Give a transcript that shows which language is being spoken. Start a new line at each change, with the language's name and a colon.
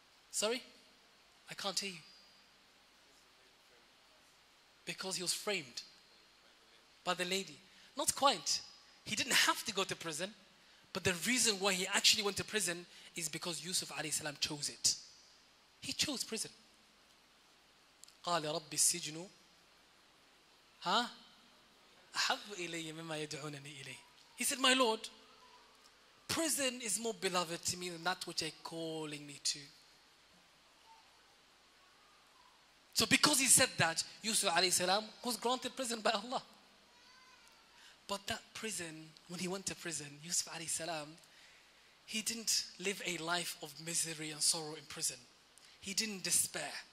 English: Sorry? I can't hear you. Because he was framed by the lady. Not quite. He didn't have to go to prison. But the reason why he actually went to prison is because Yusuf alayhi salam chose it. He chose prison.
Arabic: قال رب السجن أحب إلي مما يدعونني إليه.
English: He said, my Lord, prison is more beloved to me than that which they're calling me to. So because he said that, Yusuf alayhi salam was granted prison by Allah. But that prison, when he went to prison, Yusuf alayhi salam, he didn't live a life of misery and sorrow in prison. He didn't despair.